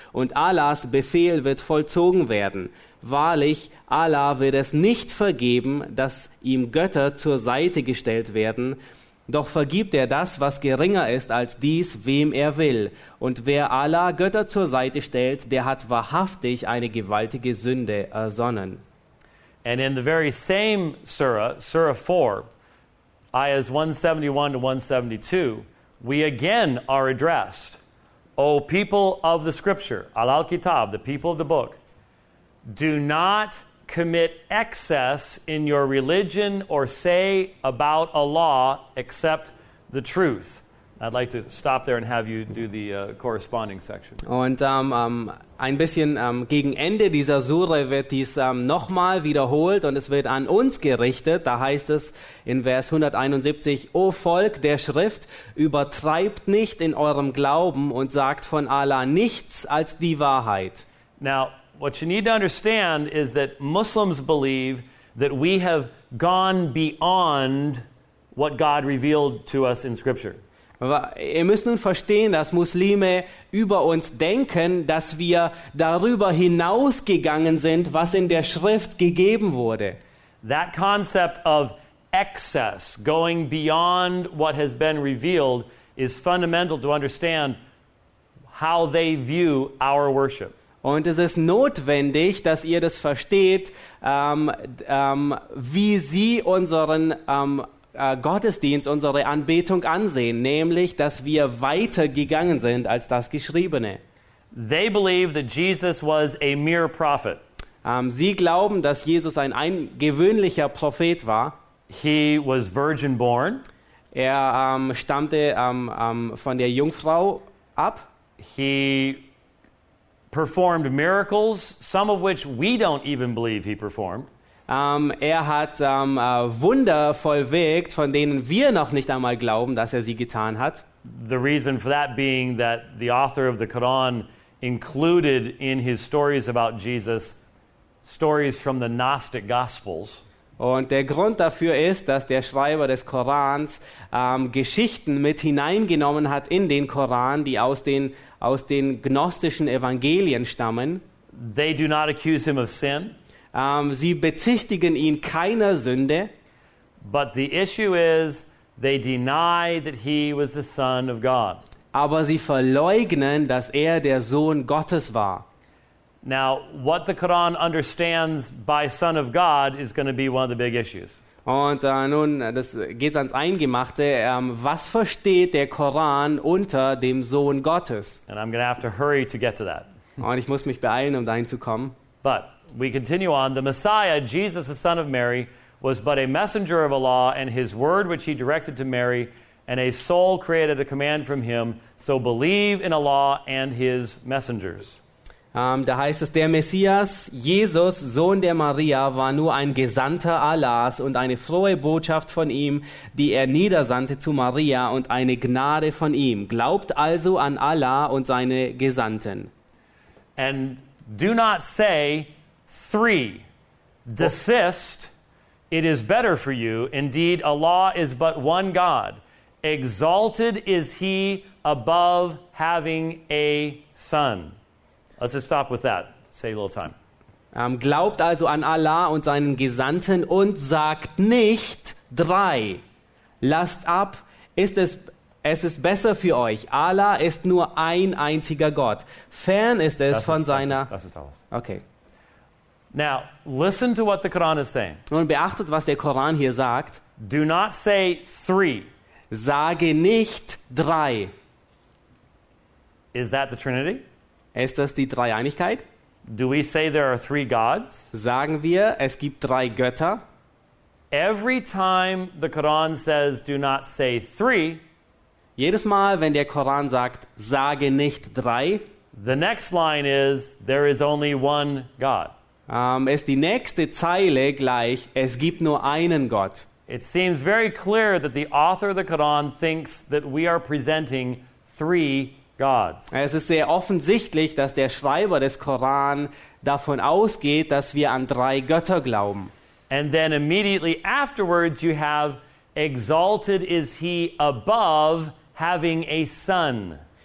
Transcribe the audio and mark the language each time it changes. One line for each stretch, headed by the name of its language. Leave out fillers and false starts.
German: Und Allahs Befehl wird vollzogen werden. Wahrlich, Allah wird es nicht vergeben, dass ihm Götter zur Seite gestellt werden, doch vergibt er das, was geringer ist als dies, wem er will. Und wer Allah Götter zur Seite stellt, der hat wahrhaftig eine gewaltige Sünde ersonnen.
English: And in the very same Surah 4, Ayahs 171 to 172, we again are addressed. O people of the scripture, al-kitab, the people of the book, do not commit excess in your religion or say about Allah except the truth. I'd like to stop there and have you do the corresponding section.
German: Und ein bisschen gegen Ende dieser Sure wird dies nochmal wiederholt und es wird an uns gerichtet. Da heißt es in Vers 171, O Volk der Schrift, übertreibt nicht in eurem Glauben und sagt von Allah nichts als die Wahrheit.
English: Now, what you need to understand is that Muslims believe that we have gone beyond what God revealed to us in Scripture.
German: Ihr müsst nun verstehen, dass Muslime über uns denken, dass wir darüber hinausgegangen sind, was in der Schrift gegeben wurde.
English: That concept of excess, going beyond what has been revealed, is fundamental to understand how they view our worship.
German: Und es ist notwendig, dass ihr das versteht, wie sie unseren Gottesdienst, unsere Anbetung ansehen, nämlich, dass wir weiter gegangen sind als das Geschriebene.
English: They believe that Jesus was a mere prophet.
German: Sie glauben, dass Jesus ein gewöhnlicher Prophet war.
English: He was virgin born.
German: Er stammte von der Jungfrau ab.
English: He performed miracles, some of which we don't even believe he performed.
German: Er hat Wunder vollwirkt, von denen wir noch nicht einmal glauben, dass er sie getan hat.
English: The reason for that being that the author of the Quran included in his stories about Jesus stories from the Gnostic Gospels.
German: Und der Grund dafür ist, dass der Schreiber des Korans Geschichten mit hineingenommen hat in den Koran, die aus den gnostischen Evangelien stammen.
English: They do not accuse him of sin.
German: Sie bezichtigen ihn keiner Sünde.
English: But the issue is, they deny that he was the Son of God.
German: Aber sie verleugnen, dass er der Sohn Gottes war.
English: Now, what the Quran understands by Son of God is going to be one of the big issues.
German: Und nun, das geht ans Eingemachte. Was versteht der Koran unter dem Sohn Gottes?
English: And I'm going to have to hurry to get to that.
German: Und ich muss mich beeilen, um dahin zu kommen.
English: But we continue on. The Messiah, Jesus, the son of Mary, was but a messenger of Allah, and his word which he directed to Mary, and a soul created a command from him. So believe in Allah and his messengers.
German: Da heißt es, der Messias, Jesus, Sohn der Maria, war nur ein Gesandter Allahs und eine frohe Botschaft von ihm, die er niedersandte zu Maria und eine Gnade von ihm. Glaubt also an Allah und seine Gesandten.
English: And do not say, three, desist, it is better for you. Indeed, Allah is but one God. Exalted is he above having a son. Let's just stop with that. Say a little time.
German: Glaubt also an Allah und seinen Gesandten und sagt nicht drei. Lasst ab, es ist besser für euch. Allah ist nur ein einziger Gott. Fern ist es von seiner... Das ist alles. Okay.
English: Now, listen to what the Quran is saying.
German: Nun beachtet, was der Koran hier sagt.
English: Do not say three.
German: Sage nicht drei.
English: Is that the Trinity?
German: Ist das die Dreieinigkeit?
English: Do we say there are three gods?
German: Sagen wir, es gibt drei Götter?
English: Every time the Quran says do not say three,
German: jedes Mal, wenn der Koran sagt, sage nicht drei,
English: the next line is there is only one God.
German: Ist die nächste Zeile gleich, es gibt nur einen Gott.
English: It seems very clear that the author of the Quran thinks that we are presenting three gods.
German: Es ist sehr offensichtlich, dass der Schreiber des Koran davon ausgeht, dass wir an drei Götter glauben.
English: And then immediately afterwards you have exalted is he above having a son.